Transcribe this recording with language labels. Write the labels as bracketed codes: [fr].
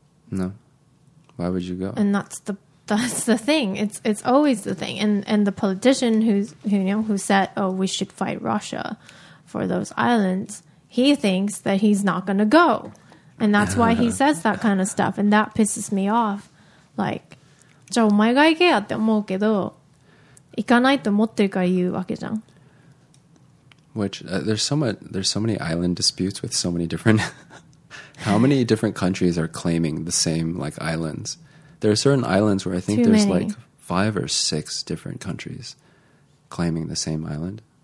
[en] No, why would you go? And that's the thing. It's always the thing. And the politician who said, oh, we should fight Russia for those islands, he thinks that he's not going to go, and that's why he says that kind of stuff. And that pisses me off. [ja] Like, じゃあお前が行けやって思うけど、行かないと思ってるから言うわけじゃん。 [en] Which there's so many island disputes with so many different how many different countries are claiming the same like islands there are certain islands where I think there's like five or six different countries claiming the same island.